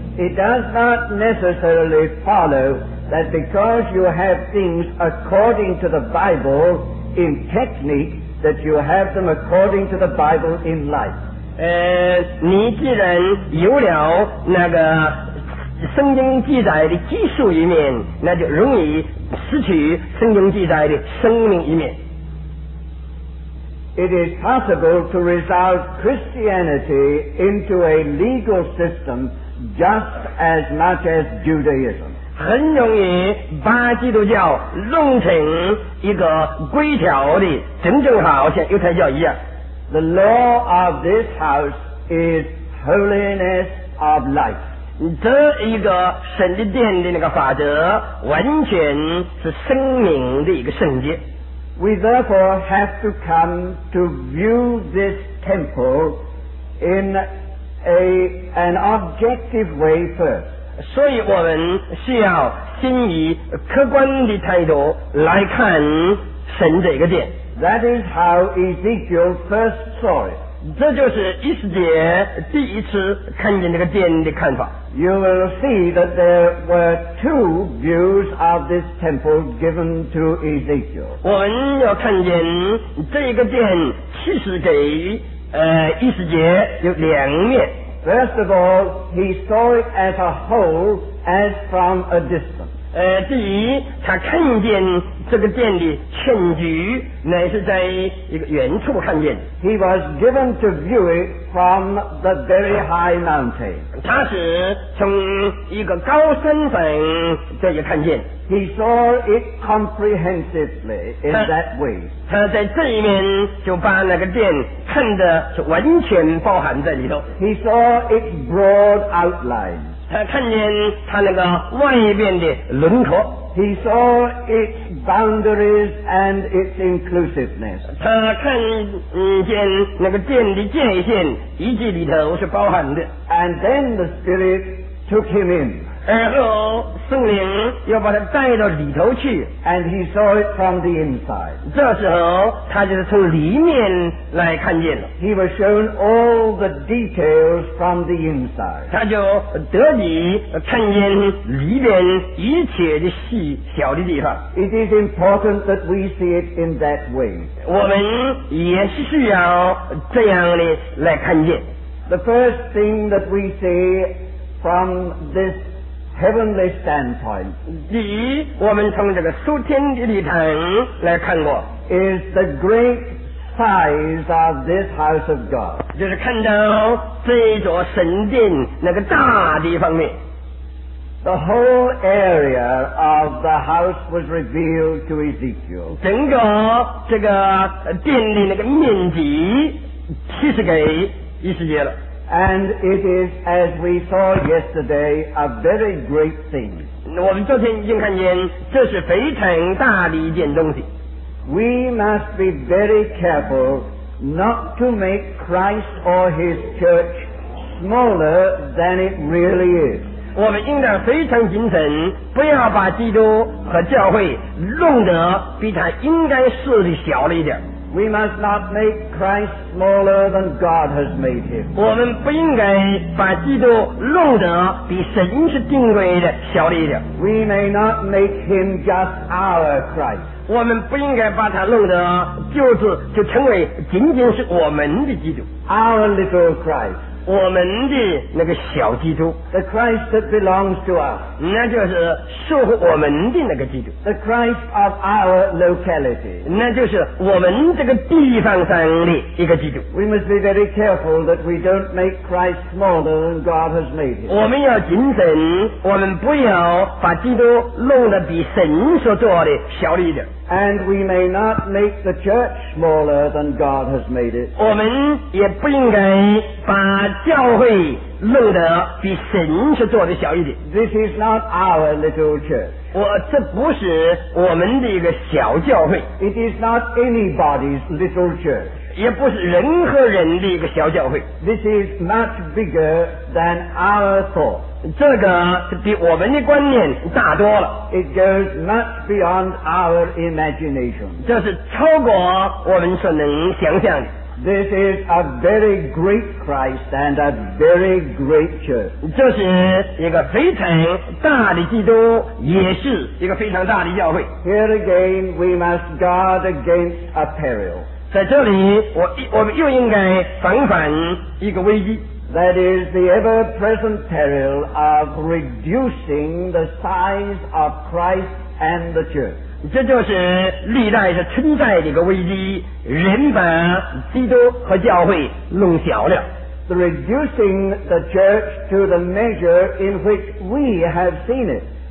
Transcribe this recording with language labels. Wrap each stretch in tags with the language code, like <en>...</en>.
<en>It does not necessarily follow that because you have things according to the Bible in technique, that you have them according to the Bible in life.</en> <zh>你既然有了那个圣经记载的技术一面，那就容易失去圣经记载的生命一面。</zh> <en>It is possible to resolve Christianity into a legal system just as much as Judaism.</en> <zh>很容易把基督教弄成一个规条的整整好像犹太教一样。</zh> <en>The law of this house is holiness of life.</en> <zh>这一个神的殿的那个法则完全是生命的一个圣洁。</zh> <en>We therefore have to come to view this temple in an objective way first.</en> <zh>所以我们需要先以客观的态度来看神这个殿。</zh> <en>That is how Ezekiel first saw it.</en> <zh>这就是以斯帖第一次看见这个殿的看法。</zh> <en>You will see that there were two views of this temple given to Ezekiel.</en> <zh>我们要看见这个殿其实给以斯帖有两面。</zh> <en>First of all, he saw it as a whole, as from a distance.</en> <zh>第一，他看见这个殿的全局乃是在一个远处看见。</zh> <en>He was given to view it from the very high mountain.</en> <zh>他是从一个高山上这里看见。</zh> <en>He saw it comprehensively in that way.</en> <zh>他在这一面就把那个殿看得是完全包含在里头。</zh> <en>He saw its broad outline.</en> <zh>他看见他那个外边的轮廓。</zh> <en>He saw its boundaries and its inclusiveness.</en> <zh>他看见那个殿的界限以及里头是包含的。</zh> <en>And then the Spirit took him in.</en> <zh>圣灵又把他带到里头去</zh> <en>and he saw it from the inside</en> <zh>这时候他就是从里面来看见了</zh> <en>he was shown all the details from the inside</en> <zh>他就得以看见里面一切的细小的地方</zh> <en>it is important that we see it in that way</en> <zh>我们也是需要这样的来看见</zh> <en>the first thing that we see from thisHeavenly standpoint.</en> <zh>第一，我们从这个属天的立场来看过</zh> <en>is the great size of this house of God.</en> <zh>就是看到这座神殿那个大的方面。</zh> <en>The whole area of the house was revealed to Ezekiel.</en> <zh>整个这个殿的那个面积其实给以色列了。</zh> <en>And it is, as we saw yesterday, a very great thing.</en> <zh>我们昨天已经看见，这是非常大的一件东西。</zh> <en>We must be very careful not to make Christ or His church smaller than it really is.</en> <zh>我们应该非常谨慎，不要把基督和教会弄得比他应该是的小了一点。</zh> <en>We must not make Christ smaller than God has made him.</en> <zh>我们不应该把基督弄得比神是定位的小了一点。</zh> <en>We may not make him just our Christ.</en> <zh>我们不应该把他弄得就成为仅仅是我们的基督。</zh> <en>Our little Christ.</en> <zh>我们的那个小基督。</zh> <en>The Christ that belongs to us.</en> <zh>那就是属乎我们的那个基督。</zh> <en>The Christ of our locality.</en> <zh>那就是我们这个地方上的一个基督。</zh> <en>We must be very careful that we don't make Christ smaller than God has made him.</en> <zh>我们要谨慎，我们不要把基督弄得比神所做的小了一点。</zh> <en>And we may not make the church smaller than God has made it.</en> <zh>我们也不应该把教会弄得比神是做的小一点。</zh> <en>This is not our little church.</en> <zh>这不是我们的一个小教会。</zh> <en>It is not anybody's little church.</en> <zh>也不是任何人的一个小教会。</zh> <en>This is much bigger than our thought.</en> <zh>这个比我们的观念大多了</zh> <en>It goes much beyond our imagination</en> <zh>这是超过我们所能想象的</zh> <en>This is a very great Christ and a very great church</en> <zh>这是一个非常大的基督也是一个非常大的教会</zh> <en>Here again we must guard against a peril</en> <zh>在这里 我们又应该防范一个危机</zh> <en>That is the ever-present peril of reducing the size of Christ and the church.</en> <zh>这就是历代是存在的一个危机，人把基督和教会弄小了。</zh> <en>The reducing the church to the measure in which we have seen it.</en>